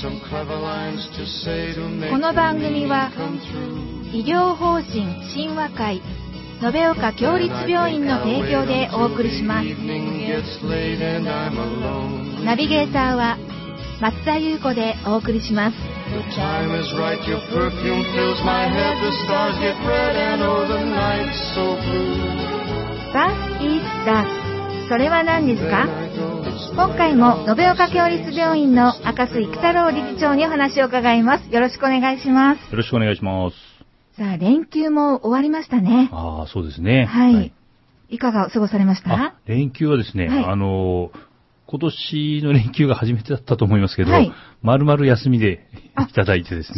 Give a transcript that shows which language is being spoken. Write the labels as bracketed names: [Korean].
[Japanese] この番組は医療法人親和会延岡共立病院の提供でお送りします。ナビゲーターは松田優子でお送りします。 [English] The time is right, your perfume fills my head, the stars get red and oh the night's so blue. What is that? [Japanese] それは何ですか？今回も延岡共立病院の赤須育太郎理事長にお話を伺います。よろしくお願いします。よろしくお願いします。さあ、連休も終わりましたね。ああ、そうですね。はい。はい、いかが過ごされました？あ、連休はですね、はい、今年の連休が初めてだったと思いますけど、はい、丸々休みでいただいてですね。